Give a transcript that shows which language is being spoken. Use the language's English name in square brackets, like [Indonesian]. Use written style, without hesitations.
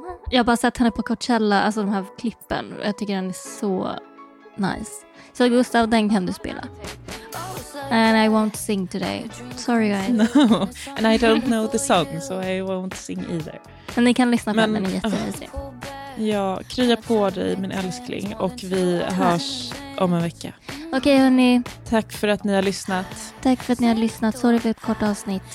[Swedish] Jag har bara sett henne på Coachella, alltså de här klippen. Jag tycker den är så nice. Så Gustav, den kan du spela. [English] And I won't sing today. Sorry guys. No, and I don't know the song, so I won't sing either. [Swedish] Men ni kan lyssna på den, den är jättemysig. Ja, krya på dig min älskling. Och vi hörs om en vecka. Okej, hörni. Tack för att ni har lyssnat. Tack för att ni har lyssnat, sorry för ett kort avsnitt.